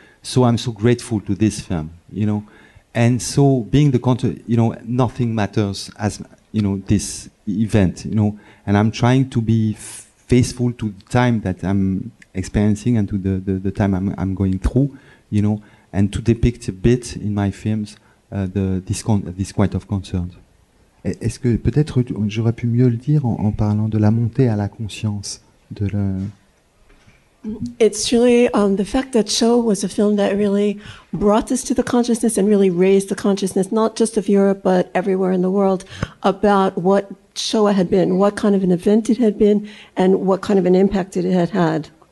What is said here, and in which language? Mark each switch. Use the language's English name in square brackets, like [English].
[English] So I'm so grateful to this film, you know. And so being the content, you know, nothing matters as, you know, this event, you know. And I'm trying to be faithful to the time that I'm experiencing and to the time I'm going through, you know, and to depict a bit in my films this quite of concerns. [French] Est-ce que peut-être j'aurais pu mieux le dire en parlant de la montée à la conscience de le. [English] It's really the fact that Shoah was a film that really brought us to the consciousness and really raised the consciousness, not just of Europe but everywhere in the world, about what Shoah had been, what kind of an event it had been, and what kind of an impact it had had.